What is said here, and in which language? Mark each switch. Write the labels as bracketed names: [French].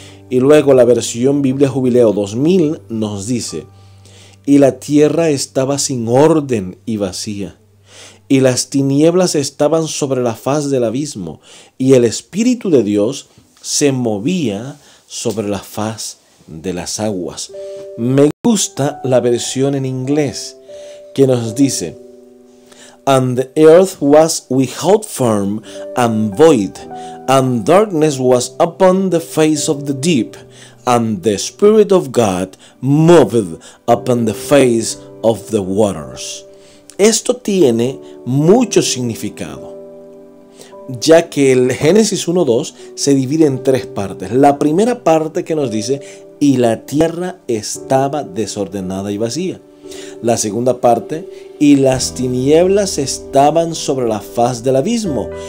[Spanish] Y luego la versión Biblia Jubileo 2000 nos dice, y la tierra estaba sin orden y vacía, y las tinieblas estaban sobre la faz del abismo, y el Espíritu de Dios se movía sobre la faz de las aguas. Me gusta la versión en inglés que nos dice, [English] And the earth was without form and void, and darkness was upon the face of the deep, and the Spirit of God moved upon the face of the waters. [Spanish] Esto tiene mucho significado, ya que el Génesis 1:2 se divide en tres partes. La primera parte que nos dice: y la tierra estaba desordenada y vacía. La segunda parte: y las tinieblas estaban sobre la faz del abismo.